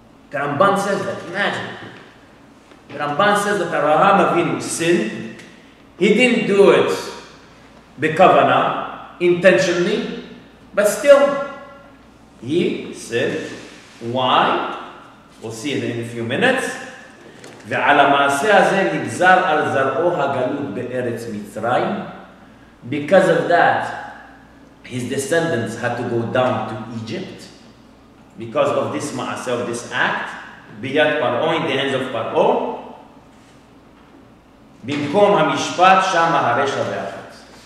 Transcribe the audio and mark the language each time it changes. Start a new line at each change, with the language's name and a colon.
English: The Ramban says that, imagine. The Ramban says that Avraham Avinu sinned. He didn't do it bekavana, intentionally, but still, he sinned. Why? We'll see it in a few minutes.
Hebrew: ועל המעשה הזה נגזר על זרעו הגלות בארץ מצרים.
English: Because of that, his descendants had to go down to Egypt. Because of this ma'aseh, of this act,
Hebrew: ביד פרעו,
English: in the hands of פרעו,
Hebrew: במקום המשפט שם הרשע והחץ.